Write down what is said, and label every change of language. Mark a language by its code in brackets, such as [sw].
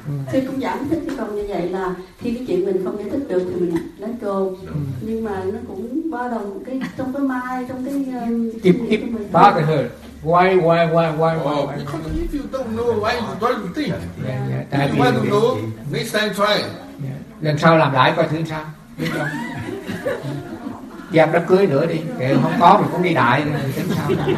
[vi] Thì cũng giải thích cho con như vậy là khi cái chuyện mình không giải thích được thì mình [en] let go. [vi] Nhưng mà nó cũng bao đồng trong cái mai, trong cái... [en] Keep bothered. Why? Because if you don't know, why you don't think? Yeah. If you want to know, next time try. [vi] Lần sau làm lại coi thứ sao. Dẹp đám cưới nữa đi, để không có mình cũng đi đại rồi tính sao.